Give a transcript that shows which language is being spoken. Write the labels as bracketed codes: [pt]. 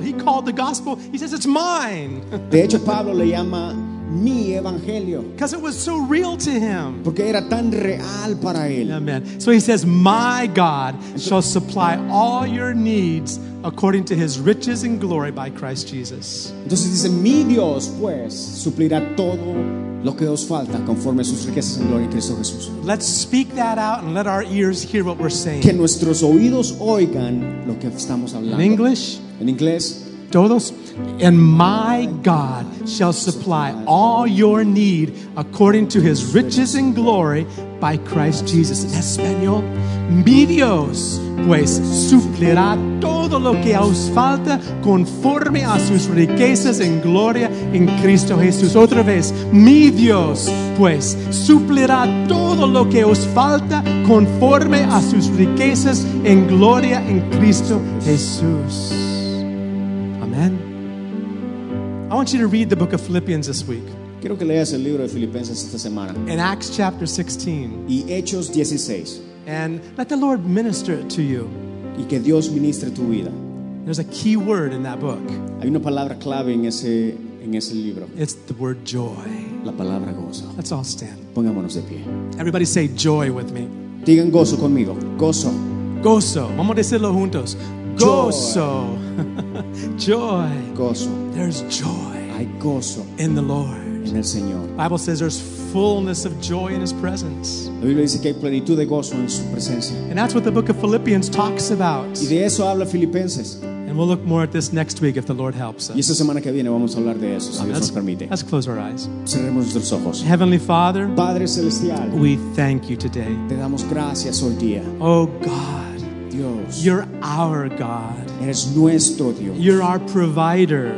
[en] He called the gospel, he says, it's mine. [es] De hecho, Pablo le llama mi evangelio. [en] Because it was so real to him. [es] Porque era tan real para él. [en] Amen. So he says, my God shall supply all your needs according to his riches and glory by Christ Jesus. [es] Entonces dice, mi Dios pues suplirá todo lo que os falta conforme a sus riquezas en gloria en Cristo Jesús. [en] Let's speak that out and let our ears hear what we're saying. [es] Que nuestros oídos oigan lo que estamos hablando. [en] In English. [es] En inglés. Todos. [en] And my God shall supply all your need according to his riches and glory by Christ Jesus. [es] En español, mi Dios pues suplirá todo lo que os falta conforme a sus riquezas en gloria en Cristo Jesús. Otra vez, mi Dios pues suplirá todo lo que os falta conforme a sus riquezas en gloria en Cristo Jesús. Amén. [en] I want you to read the book of Philippians this week. [es] Quiero que leas el libro de Filipenses esta semana. [en] In Acts chapter 16. [es] Y Hechos 16. [en] And let the Lord minister it to you. [es] Y que Dios ministre tu vida. [en] There's a key word in that book. [es] Hay una palabra clave en ese libro. [en] It's the word joy. [es] La palabra gozo. [en] Let's all stand. [es] Pongámonos de pie. [en] Everybody say joy with me. [es] Digan gozo conmigo. Gozo. Gozo. Vamos a decirlo juntos. Gozo. Joy. Gozo. [en] There's joy. [es] Hay gozo. [en] In the Lord. [es] En el Señor. [en] Bible says there's fullness of joy in his presence. [es] La Biblia dice que hay plenitud de gozo en su presencia. [en] And that's what the book of Philippians talks about. [es] Y de eso habla Filipenses. [en] And we'll look more at this next week if the Lord helps us. [es] Y esta semana que viene vamos a hablar de eso, si Dios nos permite. [en] Let's close our eyes. [es] Cerremos nuestros ojos. [en] Heavenly Father, [es] Padre Celestial, [en] we thank you today. [es] Te damos gracias hoy día. [en] Oh God, [es] Dios, [en] you're our God. [es] Eres nuestro Dios. [en] You're our provider.